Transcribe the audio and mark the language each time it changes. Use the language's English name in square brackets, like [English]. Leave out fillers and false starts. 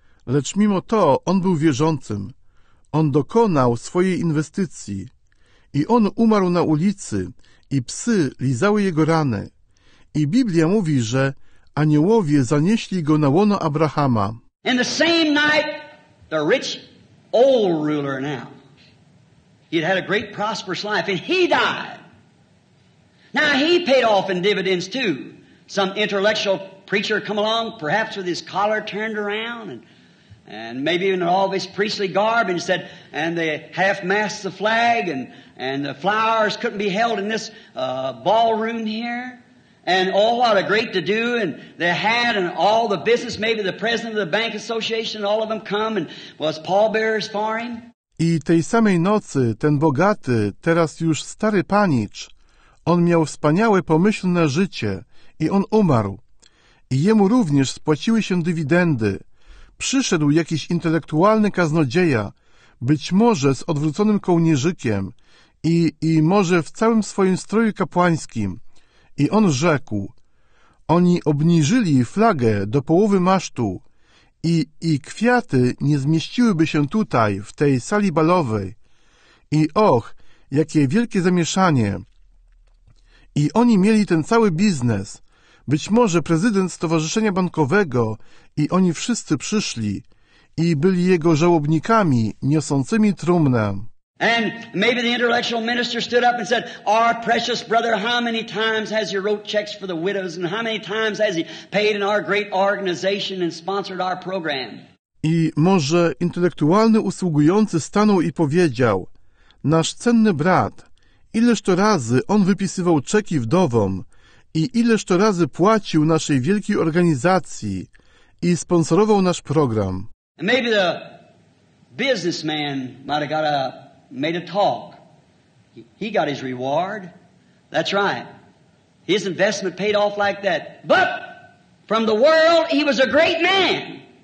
[Polish] Lecz mimo to on był wierzącym. On dokonał swojej inwestycji. I on umarł na ulicy, i psy lizały jego rany. I Biblia mówi, że aniołowie zanieśli go na łono Abrahama. [English] And the same night, the rich old ruler now, he had a great prosperous life, and he died. Now he paid off in dividends too. Some intellectual preacher come along, perhaps with his collar turned around, and maybe in all of his priestly garb, and said, and they half masked the flag, and the flowers couldn't be held in this ballroom here. And oh, what a great to-do, and they had, and all the business, maybe the president of the bank association, all of them come, and was pallbearers for him. [Polish] I tej samej nocy ten bogaty, teraz już stary panicz, on miał wspaniałe pomyślne życie, i on umarł. I jemu również spłaciły się dywidendy. Przyszedł jakiś intelektualny kaznodzieja, być może z odwróconym kołnierzykiem i może w całym swoim stroju kapłańskim. I on rzekł, oni obniżyli flagę do połowy masztu i kwiaty nie zmieściłyby się tutaj, w tej sali balowej. I och, jakie wielkie zamieszanie. I oni mieli ten cały biznes. Być może prezydent stowarzyszenia bankowego i oni wszyscy przyszli i byli jego żałobnikami niosącymi trumnę. [English] And maybe the intellectual minister stood up and said, our precious brother, how many times has he wrote checks for the widows and how many times has he paid in our great organization and sponsored our program? [Polish] I może intelektualny usługujący stanął i powiedział, nasz cenny brat, ileż to razy on wypisywał czeki wdowom i ileż to razy płacił naszej wielkiej organizacji i sponsorował nasz program. [English] And maybe the businessman might have got a made a talk. He got his reward. That's right. His investment paid off like that. But from the world, he was a great man.